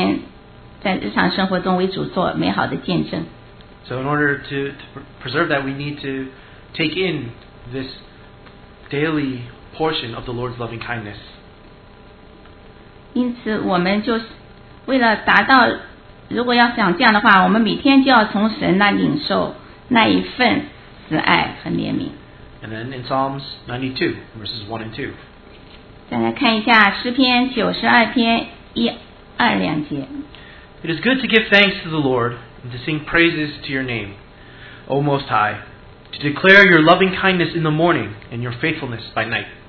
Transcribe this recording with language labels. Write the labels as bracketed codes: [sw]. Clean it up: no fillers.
[zh] 如果我们每天让神所赐给我们的喜乐和充满我们的话，我们就可以每天在日常生活中为主做美好的见证。 [en] So in order to preserve that, we need to take in this daily portion of the Lord's loving kindness. [zh] 因此我们就为了达到，如果要想这样的话，我们每天就要从神那领受那一份慈爱和怜悯。 [en] And then in Psalms 92, verses 1 and 2. [zh] 再来看一下诗篇92篇1、2两节。 [en] It is good to give thanks to the Lord and to sing praises to your name, O Most High, to declare your loving kindness in the morning and your faithfulness by night.